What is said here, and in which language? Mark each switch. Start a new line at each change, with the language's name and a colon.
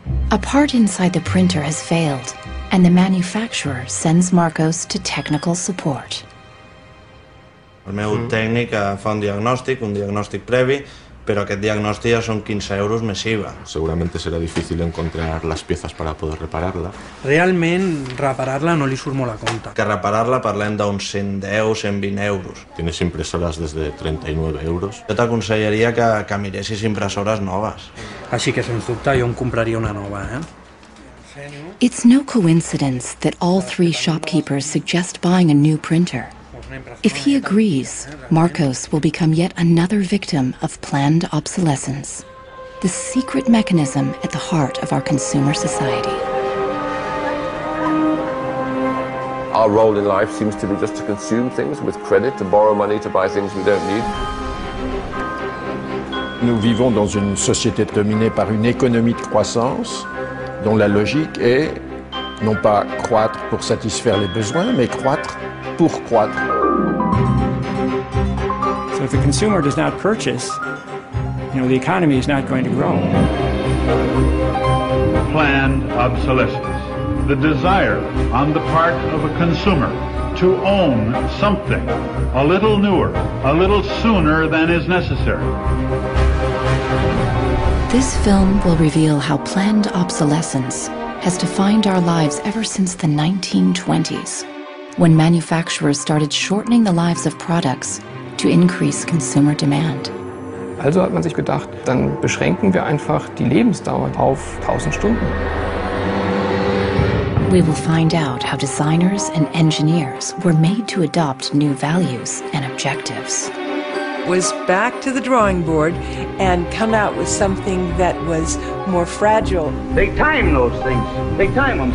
English: A part inside the printer has failed, and the manufacturer sends Marcos to technical support.
Catalan: El meu tècnic fa un diagnòstic previ, però aquest diagnòstic ja són 15 euros més IVA. Segurament serà difícil encontrar les peces per a poder reparar-la. Realment, reparar-la no li surt molt a compte. Que reparar-la parlem d'uns 110, 120 euros. Tienes impressores des de 39 euros. Jo t'aconsellaria que miressis impressores noves. Així que, sens dubte, jo em compraria una nova, eh?
English: It's no coincidence that all three shopkeepers suggest buying a new printer. If he agrees, Marcos will become yet another victim of planned obsolescence, the secret mechanism at the heart of our consumer society. Our role in life seems to be just to consume things with credit, to borrow money to buy things we don't need.
French: Nous vivons dans une société dominée par une économie de croissance dont la logique est non pas croître pour satisfaire les besoins, mais croître pour croître.
English: So if the consumer does not purchase, you know, the economy is not going to grow. Planned obsolescence, the desire on the part of a consumer to own something a little newer, a little sooner than is necessary. This film will reveal how planned obsolescence has defined our lives ever since the 1920s, when manufacturers started shortening the lives of products to increase consumer demand.
German: Also hat man sich gedacht, dann beschränken wir einfach die Lebensdauer auf 1000 Stunden.
English: We will find out how designers and engineers were made to adopt new values and objectives. Was back to the drawing board and come out with something that was more fragile. Take time, those things. Take time them.